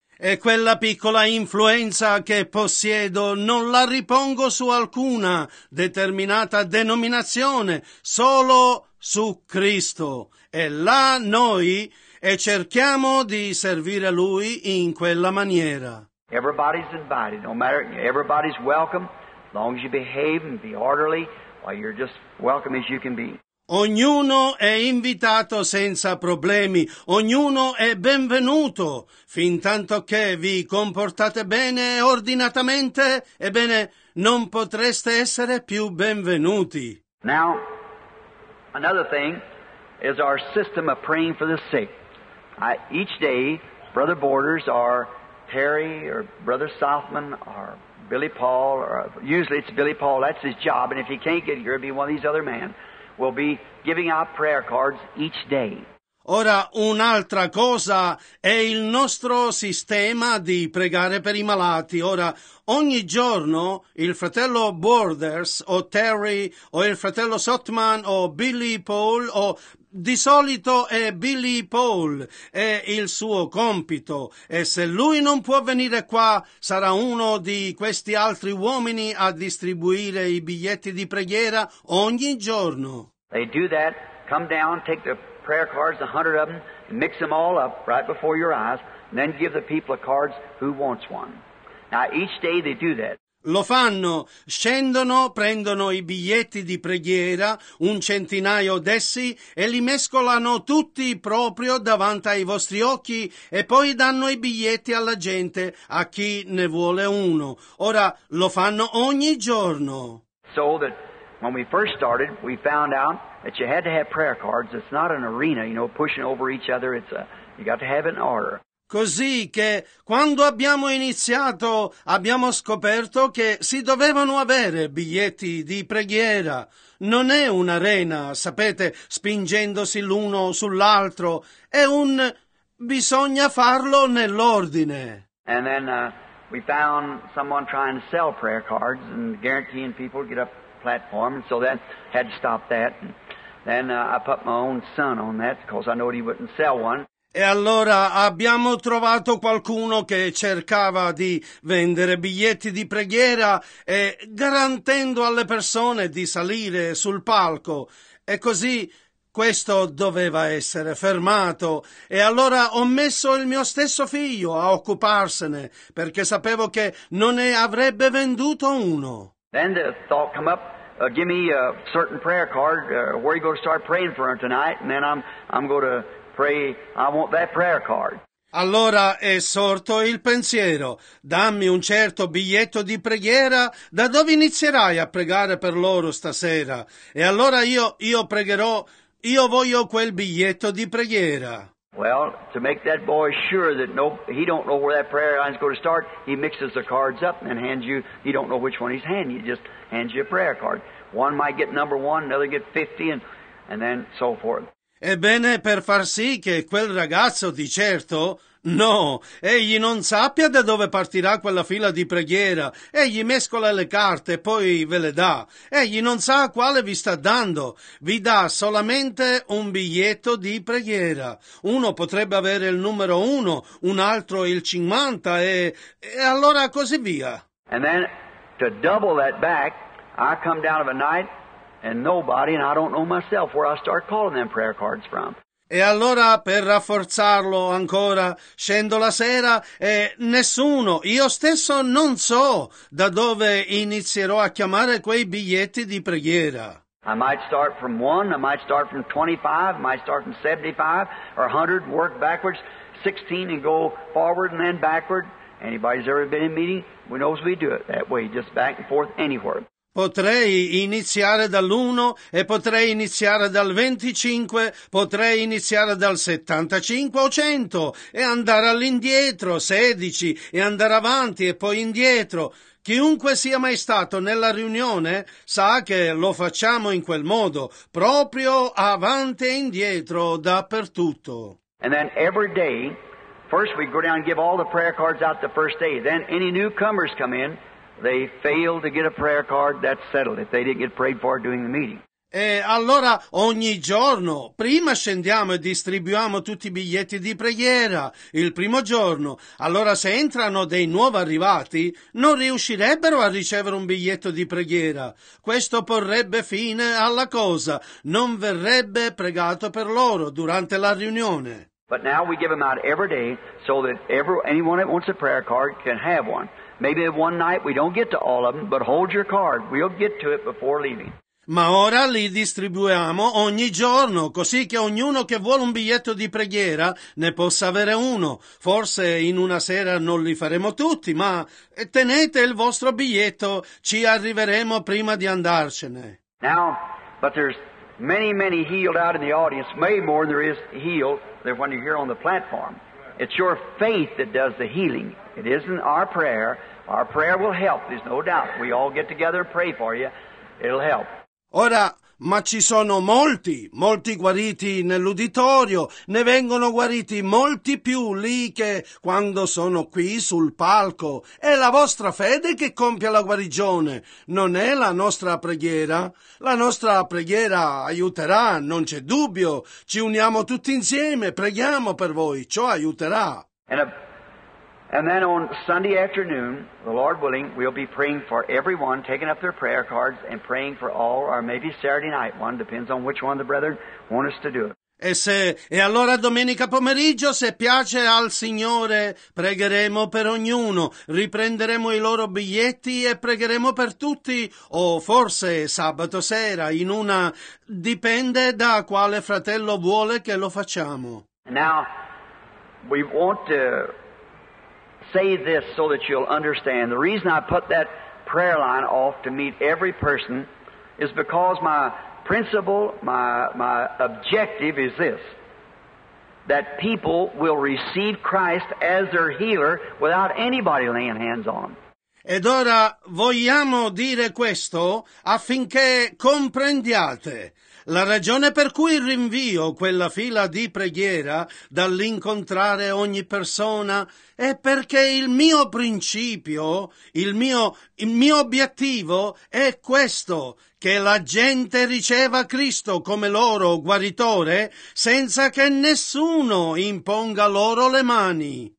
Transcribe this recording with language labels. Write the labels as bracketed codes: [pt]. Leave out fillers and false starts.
[it] E quella piccola influenza che possiedo non la ripongo su alcuna determinata denominazione, solo su Cristo. E là noi e cerchiamo di servire Lui in quella maniera. [en] Everybody's invited, no matter, everybody's welcome. As long as you behave and be orderly, well, you're just welcome as you can be. [it] Ognuno è invitato senza problemi. Ognuno è benvenuto. Fin tanto che vi comportate bene e ordinatamente, ebbene, non potreste essere più benvenuti. [en] Now, another thing is our system of praying for the sick. Each day, Brother Borders or Terry or Brother Southman or Billy Paul, or usually it's Billy Paul, that's his job, and if he can't get here, it'll be one of these other men, will be giving out prayer cards each day. [it] Ora, un'altra cosa è il nostro sistema di pregare per i malati. Ora, ogni giorno il fratello Borders, o Terry, o il fratello Sotman, o Billy Paul, o di solito è Billy Paul, è il suo compito. E se lui non può venire qua, sarà uno di questi altri uomini a distribuire i biglietti di preghiera ogni giorno. [en] They do that, come down, take the prayer cards, 100 of them, and mix them all up right before your eyes, and then give the people cards who wants one. Now, each day they do that. [it] Lo fanno, scendono, prendono i biglietti di preghiera, un centinaio d'essi, e li mescolano tutti proprio davanti ai vostri occhi, e poi danno i biglietti alla gente, a chi ne vuole uno. Ora, lo fanno ogni giorno. [en] So that when we first started, we found out that you had to have prayer cards. It's not an arena, you know, pushing over each other. You got to have an order. [it] Così che quando abbiamo iniziato abbiamo scoperto che si dovevano avere biglietti di preghiera. Non è un'arena, sapete, spingendosi l'uno sull'altro. È un bisogna farlo nell'ordine. [en] And then we found someone trying to sell prayer cards and guaranteeing people to get up the platform. And so that had to stop that. And then I put my own son on that because I know he wouldn't sell one. [it] E allora abbiamo trovato qualcuno che cercava di vendere biglietti di preghiera e garantendo alle persone di salire sul palco. E così questo doveva essere fermato. E allora ho messo il mio stesso figlio a occuparsene perché sapevo che non ne avrebbe venduto uno. [en] Then the thought come up, give me a certain prayer card, where you go to start praying for him tonight, and then I'm going to pray, I want that prayer card. [it] Allora è sorto il pensiero, dammi un certo biglietto di preghiera, da dove inizierai a pregare per loro stasera? E allora io pregherò, io voglio quel biglietto di preghiera. [en] Well, to make that boy sure that no, he don't know where that prayer line is going to start, he mixes the cards up and hands you, he don't know which one he's handing, he just hands you a prayer card. One might get number one, another get 50, and then so forth. [it] Ebbene, per far sì che quel ragazzo, di certo, no, egli non sappia da dove partirà quella fila di preghiera. Egli mescola le carte e poi ve le dà. Egli non sa quale vi sta dando. Vi dà solamente un biglietto di preghiera. Uno potrebbe avere il numero 1, un altro il 50 e allora così via. [en] And then, to double that back, I come down of a night and nobody, and I don't know myself where I start calling them prayer cards from. [it] E allora, per rafforzarlo ancora, scendo la sera e nessuno, io stesso non so da dove inizierò a chiamare quei biglietti di preghiera. [en] I might start from 1, I might start from 25, I might start from 75 or 100, work backwards, 16 and go forward and then backward. Anybody's ever been in a meeting, we knows we do it that way, just back and forth anywhere. [it] Potrei iniziare dall'1 e potrei iniziare dal 25, potrei iniziare dal 75 o 100 e andare all'indietro, 16 e andare avanti e poi indietro. Chiunque sia mai stato nella riunione sa che lo facciamo in quel modo, proprio avanti e indietro, dappertutto. [en] And then every day, first we go down and give all the prayer cards out the first day, then any newcomers come in. They failed to get a prayer card, that's settled if they didn't get prayed for during the meeting. [it] E allora ogni giorno, prima scendiamo e distribuiamo tutti i biglietti di preghiera, il primo giorno. Allora se entrano dei nuovi arrivati, non riuscirebbero a ricevere un biglietto di preghiera. Questo porrebbe fine alla cosa, non verrebbe pregato per loro durante la riunione. [en] But now we give them out every day so that anyone that wants a prayer card can have one. Maybe one night we don't get to all of them, but hold your card. We'll get to it before leaving. [it] Ma ora li distribuiamo ogni giorno, così che ognuno che vuole un biglietto di preghiera ne possa avere uno. Forse in una sera non li faremo tutti, ma tenete il vostro biglietto, ci arriveremo prima di andarcene. [en] Now, but there's many, many healed out in the audience, way more than there is healed than when you're here on the platform. It's your faith that does the healing. It isn't our prayer. Our prayer will help, there's no doubt. We all get together and pray for you. It'll help. [it] Ora, ma ci sono molti, molti guariti nell'uditorio. Ne vengono guariti molti più lì che quando sono qui sul palco. È la vostra fede che compie la guarigione. Non è la nostra preghiera. La nostra preghiera aiuterà, non c'è dubbio. Ci uniamo tutti insieme, preghiamo per voi. Ciò aiuterà. [en] And then on Sunday afternoon, the Lord willing, we'll be praying for everyone, taking up their prayer cards and praying for all, or maybe Saturday night one, depends on which one of the brethren want us to do it. [it] E allora domenica pomeriggio, se piace al Signore, pregheremo per ognuno, riprenderemo i loro biglietti e pregheremo per tutti, o forse sabato sera, in una, dipende da quale fratello vuole che lo facciamo. [en] Now, we want to say this so that you'll understand. The reason I put that prayer line off to meet every person is because my principle, my objective is this, that people will receive Christ as their healer without anybody laying hands on them. [it] Ed ora vogliamo dire questo affinché comprendiate. La ragione per cui rinvio quella fila di preghiera dall'incontrare ogni persona è perché il mio principio, il mio obiettivo è questo, che la gente riceva Cristo come loro guaritore senza che nessuno imponga loro le mani.